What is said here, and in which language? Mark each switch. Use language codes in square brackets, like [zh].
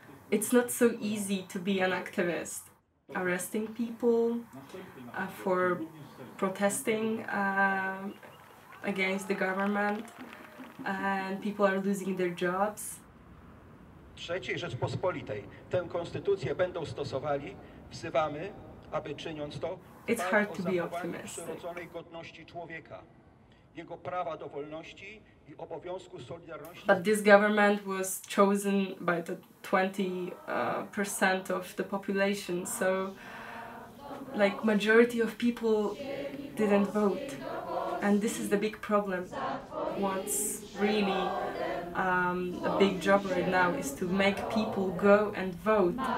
[en] It's not so easy to be an activist. Arresting people for protesting against the government and people are losing their jobs. [pl] Trzeciej Rzeczpospolitej tę konstytucję będą stosowali, wzywamy, aby czyniąc to, [en] it's hard to be optimistic. [pl] Przyrodzonej godności człowieka, jego prawa do wolności i obowiązku solidarności. [en] But this government was chosen by the 20% of the population, so like majority of people didn't vote. And this is the big problem, what's really a big job right now is to make people go and vote.